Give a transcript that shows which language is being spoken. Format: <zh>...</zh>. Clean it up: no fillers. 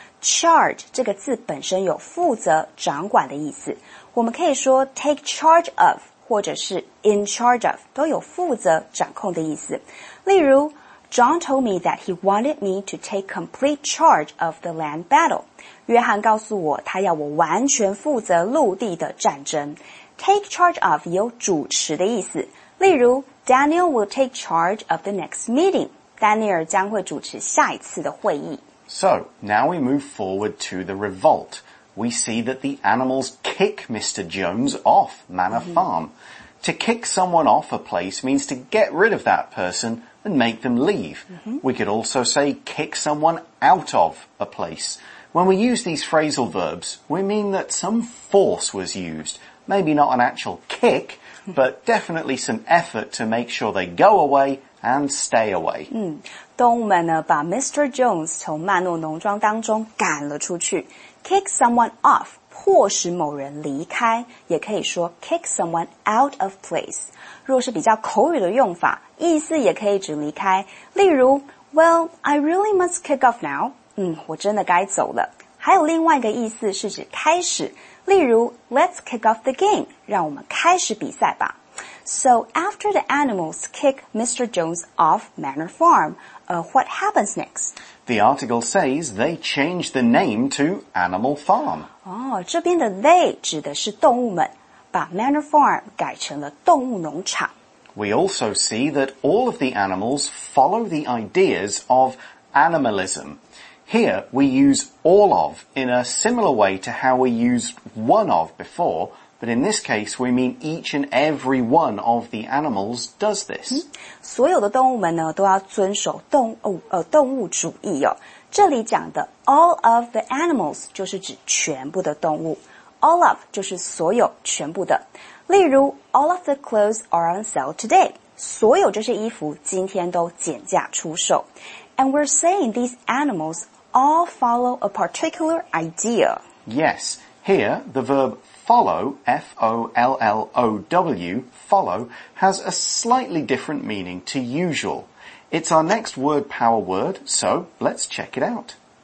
<zh>Charge 这个字本身有负责、掌管的意思。我们可以说 take charge of 或者是 in charge of 都有负责、掌控的意思。例如</zh> <en>John told me that he wanted me to take complete charge of the land battle.</en> <zh>约翰告诉我他要我完全负责陆地的战争。 Take charge of 有主持的意思。例如</zh> <en>Daniel will take charge of the next meeting.</en> <zh>丹尼尔将会主持下一次的会议。</zh> <en>So, now we move forward to the revolt. We see that the animals kick Mr. Jones off Manor Farm. To kick someone off a place means to get rid of that person and make them leave. We could also say kick someone out of a place. When we use these phrasal verbs, we mean that some force was used. Maybe not an actual kick, but definitely some effort to make sure they go away and stay away.</en> <zh>动物们呢把 Mr. Jones 从曼诺农庄当中赶了出去。 Kick someone off, 迫使某人离开，也可以说 kick someone out of place。若是比较口语的用法，意思也可以指离开。例如</zh> <en>,well, I really must kick off now.</en> <zh>我真的该走了。还有另外一个意思是指开始。例如 ,</zh> <en>let's kick off the game,</en> <zh>让我们开始比赛吧。</zh> <en>So, after the animals kick Mr. Jones off Manor Farm, what happens next? The article says they change the name to Animal Farm.</en> <zh>这边的 they 指的是动物们,把 Manor Farm 改成了动物农场。</zh> <en>We also see that all of the animals follow the ideas of animalism. Here, we use all of in a similar way to how we used one of before,But in this case, we mean each and every one of the animals does this.</en> <zh>所有的动物们呢都要遵守动物主义哦。这里讲的 all of the animals 就是指全部的动物。 All of 就是所有全部的。例如</zh> <en>all of the clothes are on sale today.</en> <zh>所有这些衣服今天都减价出售。</zh> <en>And we're saying these animals all follow a particular idea. Yes, here the verb follow, F-O-L-L-O-W, follow, has a slightly different meaning to usual. It's our next word power word, so let's check it out.</en>